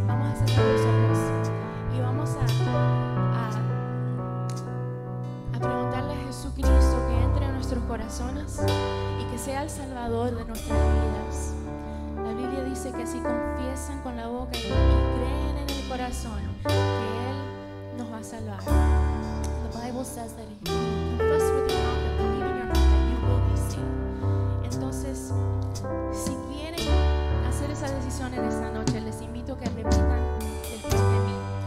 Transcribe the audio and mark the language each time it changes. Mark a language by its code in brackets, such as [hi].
[es] Vamos a cerrar los ojos y vamos a preguntarle a Jesucristo que entre en nuestros corazones y que sea el Salvador de nuestras vidas. La Biblia dice que si confiesan con la boca y creen en el corazón, que Él nos va a salvar. [en] The Bible says that if you confess with your mouth and believe in your heart, that you will be saved. [es] Entonces, si quieren hacer esa decisión en esta noche, les invito a que repitan después de mí.